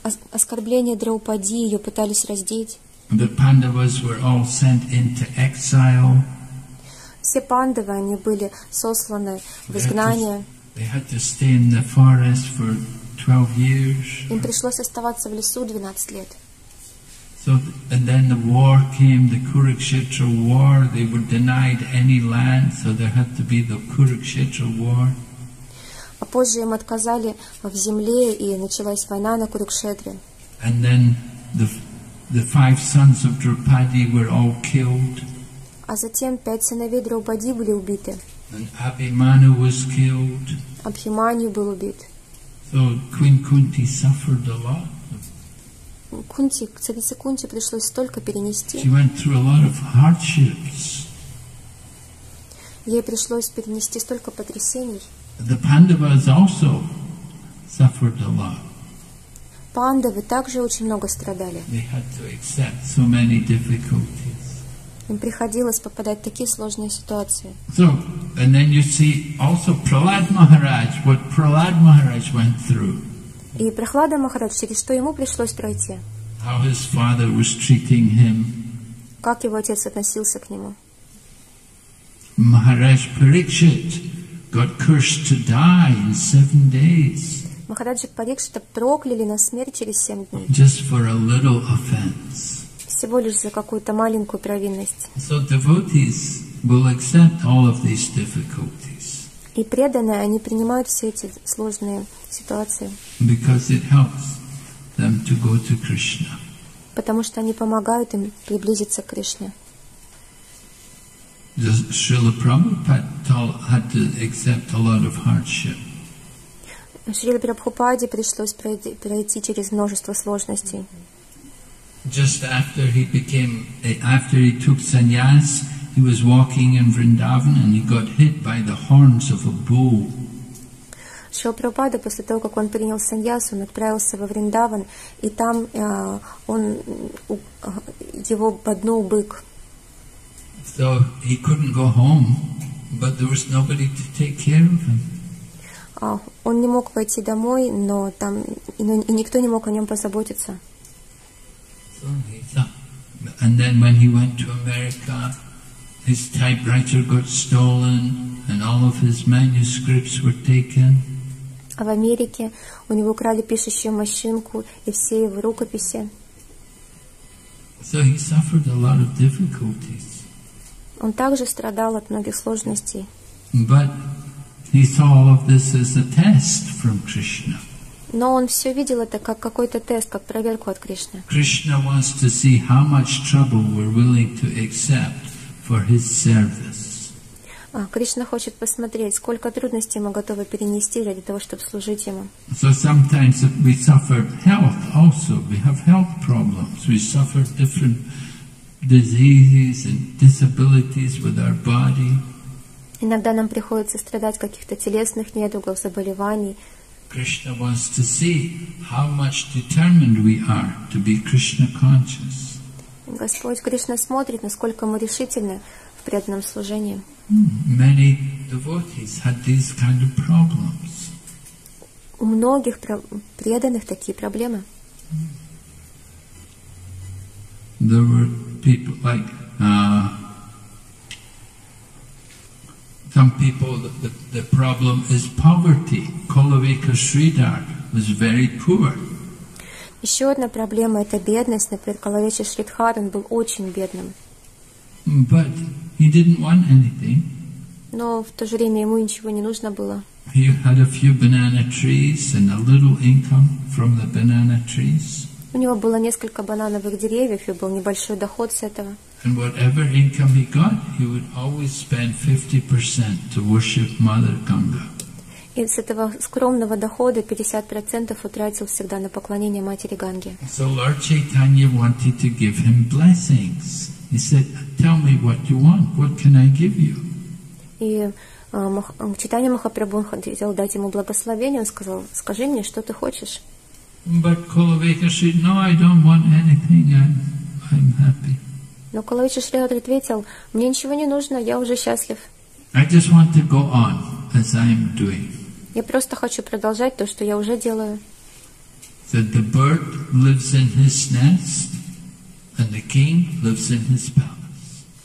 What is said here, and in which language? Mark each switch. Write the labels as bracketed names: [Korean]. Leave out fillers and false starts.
[Russian] оскорбления Драупади, ее пытались раздеть. [English] The Pandavas were all sent into exile. [Russian] Все пандавы, они были сосланы в изгнание. [English] They had to stay in the forest for 12 years. [Russian] Им пришлось оставаться в лесу 12 лет. [English] So, and then the war came, the Kurukshetra war. They were denied any land, so there had to be the Kurukshetra war. [Russian] А позже им отказали в земле, и началась война на Курукшетре. [English] And then the five sons of Draupadi were all killed. [Russian] А затем пять сыновей Драупади были убиты. [English] And Abhimanyu was killed. [Russian] Абхиманию был убит. [English] So Queen Kunti suffered a lot. [Russian] Кунти, царице Кунти пришлось столько перенести. [English] She went through a lot of hardships. [Russian] Ей пришлось перенести столько потрясений. [English] The Pandavas also suffered a lot. [Russian] Пандавы также очень много страдали. [English] They had to accept so many difficulties. [Russian] Им приходилось попадать в такие сложные ситуации. [English] So, and then you see also Prahlad Maharaj, what Prahlad Maharaj went through. [Russian] И Прохлада Махарадж, через что ему пришлось пройти? [English] How his father was treating him. [Russian] Как его отец относился к нему? [English] Maharaj Parikshit got cursed to die in 7 days. [Russian] Махараджа Парикшита прокляли на смерть через 7 дней. [English] Just for a little offense. [Russian] Всего лишь за какую-то маленькую провинность. [English] So devotees will accept all of these difficulties. [Russian] И преданные, они принимают все эти сложные ситуации. [English] Because it helps them to go to Krishna. [Russian] Потому что они помогают им приблизиться к Кришне. [English] Srila Prabhupada had to accept a lot of hardship. [Russian] Srila Prabhupada пришлось пройти через множество сложностей. [English] Just after he became, after he took sannyas, he was walking in Vrindavan and he got hit by the horns of a bull. [Russian] Шрила Прабхупада, после того, как он принял саньяс, он отправился во Вриндаван, и там его боднул бык. [English] So he couldn't go home, but there was nobody to take care of him. [Russian] Он не мог пойти домой, но там и никто не мог о нем позаботиться. [English] So and then when he went to America, his typewriter got stolen and all of his manuscripts were taken. [Russian] А в Америке у него украли пишущую машинку и все его рукописи. [English] So he suffered a lot of difficulties. [Russian] Он также страдал от многих сложностей. [English] But he saw all of this as a test from Krishna. [Russian] Но он все видел это как какой-то тест, как проверку от Кришны. [English] Krishna wants to see how much trouble we're willing to accept for his service. [Russian] Кришна хочет посмотреть, сколько трудностей мы готовы перенести ради того, чтобы служить Ему. [English] So sometimes we suffer health also. We have health problems. We suffer different diseases and disabilities with our body. [Russian] Иногда нам приходится страдать каких-то телесных недугов, заболеваний. [English] Krishna wants to see how much determined we are to be Krishna conscious. [Russian] Господь Кришна смотрит, насколько мы решительны в преданном служении. [English] Many devotees had these kind of problems. [Russian] У многих преданных такие проблемы. [English] There were people like some people. The problem is poverty. Kolavika Sridhar was very poor. [Russian] Еще одна проблема — это бедность. Например, Коловеча Шридхар, он был очень бедным. [English] But he didn't want anything. [Russian] Но в то же время ему ничего не нужно было. [English] He had a few banana trees and a little income from the banana trees. [Russian] У него было несколько банановых деревьев, и был небольшой доход с этого. [English] And whatever income he got, he would always spend 50% to worship Mother Ganga. [Russian] И с этого скромного дохода 50% утратил всегда на поклонение Матери Ганге. [English] So Lord Chaitanya wanted to give him blessings. He said, "Tell me what you want. What can I give you?" [Russian] И Чайтанья Махапрабху хотел дать ему благословение. Он сказал: "Скажи мне, что ты хочешь?" [English] But Kolavika said, "No, I don't want anything. I'm happy." [Russian] Но Коловича Шридхар ответил: "Мне ничего не нужно. Я уже счастлив." [English] I just want to go on as I'm doing. [Russian] Я просто хочу продолжать то, что я уже делаю. [English] that the bird lives in his nest and the king lives in his palace.